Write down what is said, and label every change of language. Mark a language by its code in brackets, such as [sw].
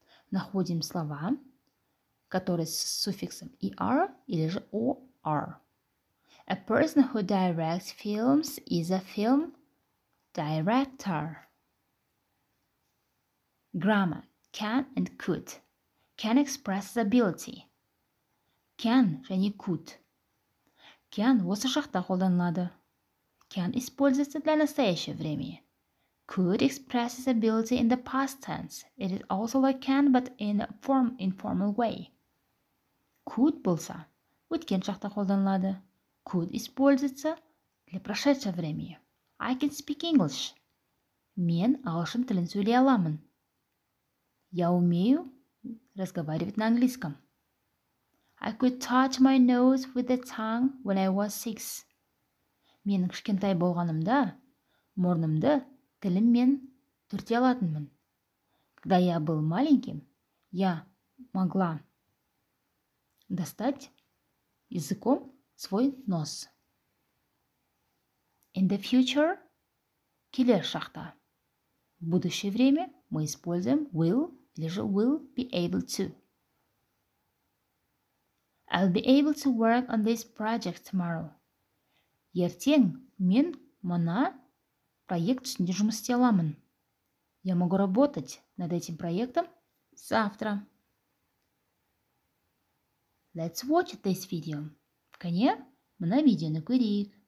[ru] находим слова, которые с суффиксом «er» или же «or». [en] A person who directs films is a film director. Grammar. Can and could. Can expresses ability. [kk] Can және could. Can осы шақта қолданылады. [ru] Can используется для настоящего времени. [en] Could expresses ability in the past tense. It is also like can, but in a informal way. [kk] Could болса, өткен шақта қолданылады. [ru] Could используется для прошедшего времени. [en] I can speak English. [kk] Мен ағылшын тілін сөйлей аламын. [ru] Я умею разговаривать на английском. [en] I could touch my nose with the tongue when I was six. [kk] Менің кішкентай болғанымда, мұрнымды тіліммен түрте алатынмын. [ru] Когда я был маленьким, я могла достать языком свой нос. [en] In the future, [kk] келер шақта. [ru] В будущее время мы используем will или же will be able to. [en] I'll be able to work on this project tomorrow. [kk] Ертең мен мына проект үстінде жұмыс істей аламын. [ru] Я могу работать над этим проектом завтра. [en] Let's watch this video. [kk] Кәне, мына видеоны көрейік.